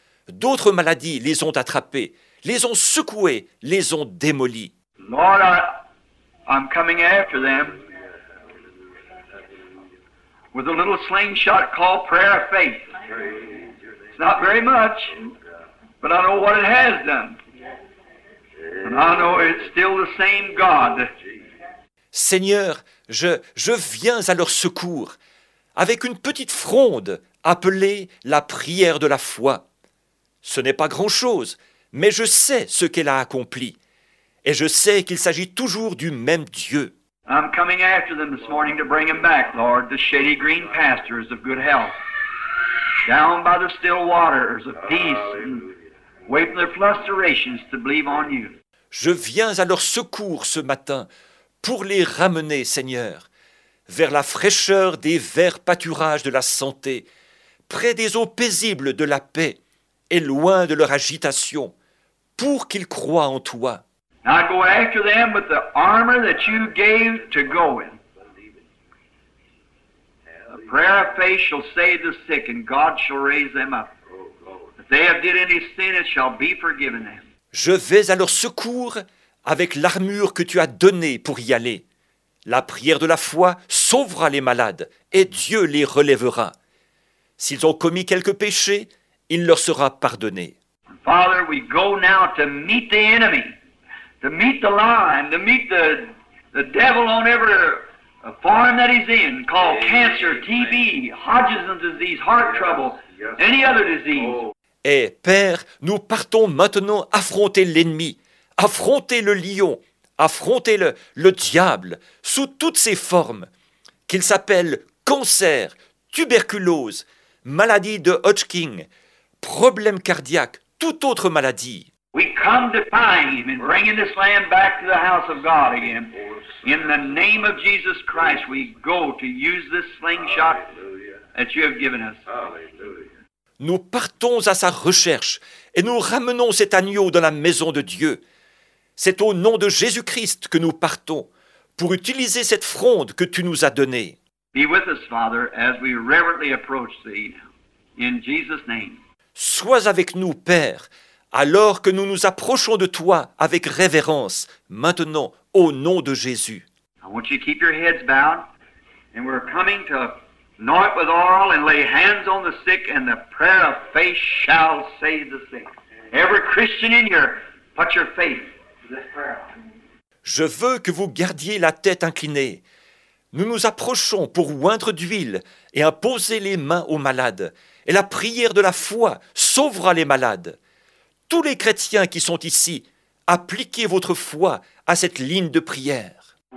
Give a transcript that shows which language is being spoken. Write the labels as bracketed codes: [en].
[fr] D'autres maladies les ont attrapés, les ont secoués, les ont démolis. [en] Lord, I'm coming after them with a little slingshot called prayer of faith. It's not very much, but I know what it has done. And I know it's still the same God. [fr] Seigneur, je viens à leur secours avec une petite fronde appelée la prière de la foi. Ce n'est pas grand-chose, mais je sais ce qu'elle a accompli. Et je sais qu'il s'agit toujours du même Dieu. [en] I'm coming after them this morning to bring them back, Lord, the shady green pastures of good health, down by the still waters of peace, and wait for their frustrations to believe on you. [fr] Je viens à leur secours ce matin pour les ramener, Seigneur, vers la fraîcheur des verts pâturages de la santé, près des eaux paisibles de la paix et loin de leur agitation, pour qu'ils croient en toi. [en] I go after them with the armor that you gave to go in. A prayer of faith shall save the sick, and God shall raise them up. If they have did any sin, it shall be forgiven them. [fr] Je vais à leur secours avec l'armure que tu as donnée pour y aller. La prière de la foi sauvera les malades, et Dieu les relèvera. S'ils ont commis quelques péchés, il leur sera pardonné. [en] Father, we go now to meet the enemy. To meet the lion, to meet the devil on every form that he's in, called cancer, TB, Hodgson's disease, heart trouble, any other disease. [fr] Eh, Père, nous partons maintenant affronter l'ennemi, affronter le lion, affronter le diable, sous toutes ses formes, qu'il s'appelle cancer, tuberculose, maladie de Hodgkin, problème cardiaque, toute autre maladie. [en] We come to find him and bring this lamb back to the house of God again. In the name of Jesus Christ, we go to use this slingshot that you have given us. [fr] Nous partons à sa recherche et nous ramenons cet agneau dans la maison de Dieu. C'est au nom de Jésus-Christ que nous partons pour utiliser cette fronde que tu nous as donnée. [en] Be with us, Father, as we reverently approach thee in Jesus' name. [fr] Sois avec nous, Père, alors que nous nous approchons de toi avec révérence, maintenant, au nom de Jésus. [en] I want you to keep your heads bowed, and we're coming to anoint with oil and lay hands on the sick, and the prayer of faith shall save the sick. Every Christian in here, put your faith to this prayer. [fr] Je veux que vous gardiez la tête inclinée. Nous nous approchons pour oindre d'huile et imposer les mains aux malades. Et la prière de la foi sauvera les malades. Tous les chrétiens qui sont ici, appliquez votre foi à cette ligne de prière.